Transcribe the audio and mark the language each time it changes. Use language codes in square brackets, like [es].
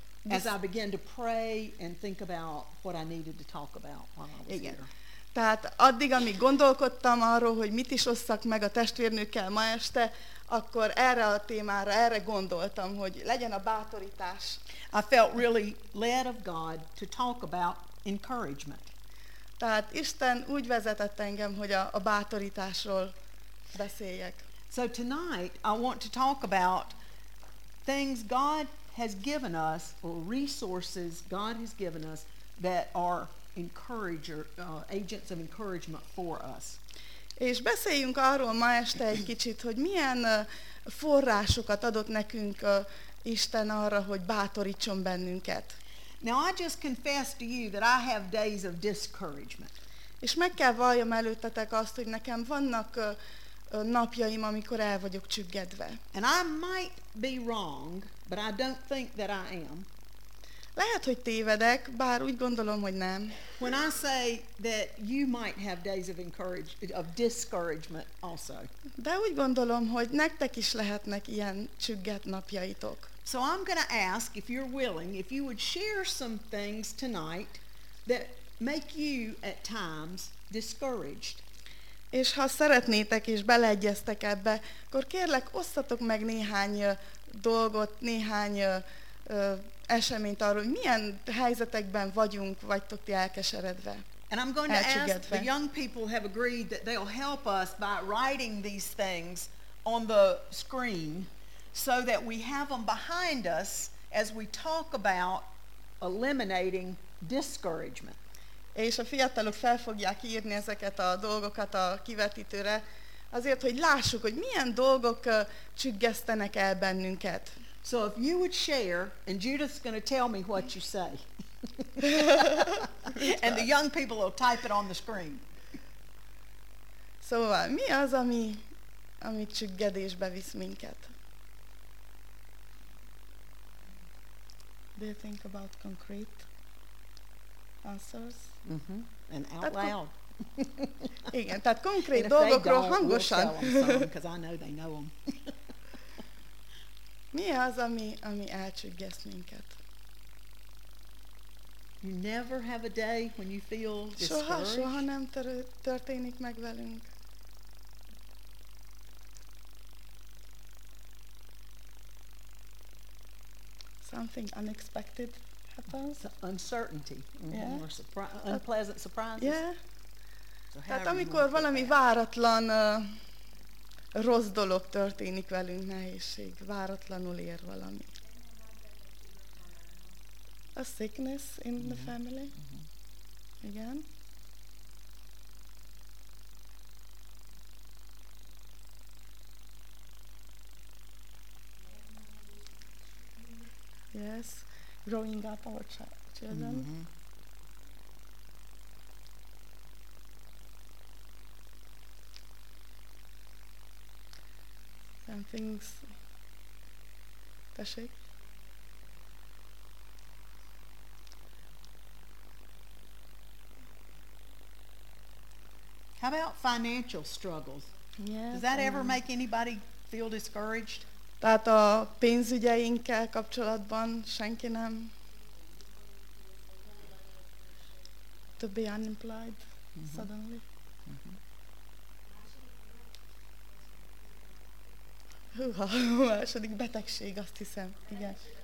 [en] As I began to pray and think about what I needed to talk about while I was here. [hu] Tehát addig, amíg gondolkodtam arról, hogy mit is osszak meg a testvérnőkkel ma este, akkor erre a témára, erre gondoltam, hogy legyen a bátorítás. [en] I felt really led of God to talk about encouragement. [hu] Tehát Isten úgy vezetett engem, hogy a bátorításról beszéljek. [en] So tonight I want to talk about things God has given us, or resources God has given us, that are encourager, agents of encouragement for us. [hu] És beszéljünk arról ma este egy kicsit, hogy milyen forrásokat adott nekünk Isten arra, hogy bátorítson bennünket. [en] Now I just confess to you that I have days of discouragement. [hu] És meg kell valljam előttetek azt, hogy nekem vannak napjaim, amikor el vagyok csüggedve. [en] And I might be wrong, but I don't think that I am. [hu] Lehet, hogy tévedek, bár úgy gondolom, hogy nem. [en] When I say that you might have days of discouragement also. [hu] De úgy gondolom, hogy nektek is lehetnek ilyen csügget napjaitok. [en] So I'm going to ask, if you're willing, if you would share some things tonight that make you at times discouraged. [hu] És ha szeretnétek és beleegyeztek ebbe, akkor kérlek, osszatok meg néhány dolgot, néhány eseményt arról, hogy milyen helyzetekben vagyunk, vagytok ti elkeseredve. [en] And I'm going to ask, the young people have agreed that they'll help us by writing these things on the screen, so that we have them behind us as we talk about eliminating discouragement. [hu] És a fiatalok fel fogják írni ezeket a dolgokat a kivetítőre, azért, hogy lássuk, hogy milyen dolgok csüggesztenek el bennünket. [en] So if you would share, and Judith's going to tell me what you say. And the young people will type it on the screen. [hu] Szóval, mi az, ami csüggedésbe visz minket? [en] Do you think about concrete answers? Mm-hmm. And out loud. [hu] Igen, tehát konkrét dolgokról hangosan. [en] Because I know they know them. [hu] Mi az, ami elcsüggeszt minket? [en] You never have a day when you feel discouraged. [hu] Soha nem történik meg velünk. [en] Something unexpected happens. Uncertainty. Yeah. Or unpleasant surprises. Yeah. [hu] So tehát amikor valami váratlan rossz dolog történik velünk, nehézség, váratlanul ér valami. [en] A sickness in the family. Mm-hmm. Igen. Yes, growing up our children. Mm-hmm. And things. Tessék. How about financial struggles? Yes. Does that ever make anybody feel discouraged? [hu] Tehát a pénzügyeinkkel kapcsolatban senki nem. [en] To be unemployed mm-hmm. suddenly. [hu] A második betegség, azt hiszem, igen.